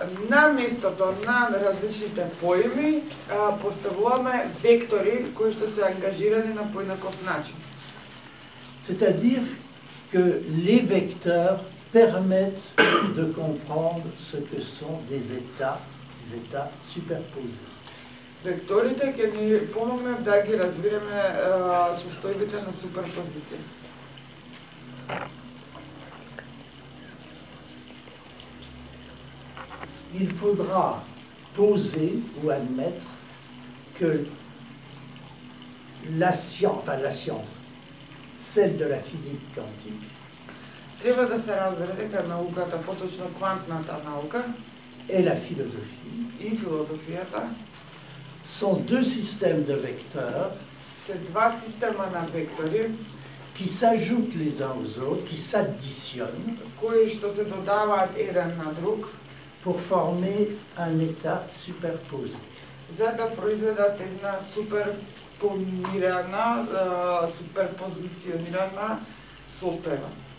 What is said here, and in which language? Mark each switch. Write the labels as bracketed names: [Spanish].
[Macedonian] На местото на различните поеми поставуваме вектори кои што се ангажирани на поинаков начин. [French] C'est-à-dire que les vecteurs permettent de comprendre ce que sont des états superposés. [Macedonian] Векторите ќе ни помогнат да ги разбереме состојбите на суперпозиција. [French] Il faudra poser ou admettre que la science, enfin la science, celle de la physique quantique, [Macedonian] треба да се разбере дека науката, поточно квантната наука, [French] е la philosophie, [Macedonian] и филозофијата, [French] sont deux systèmes de vecteurs, [Macedonian] се два система на вектори, [French] qui s'ajoutent les uns aux autres, qui s'additionnent, [Macedonian] кои што се додаваат еден на друг, [French] pour former un état superposé. [Macedonian] За да произведат една суперпонирана, суперпозиционирана состојба.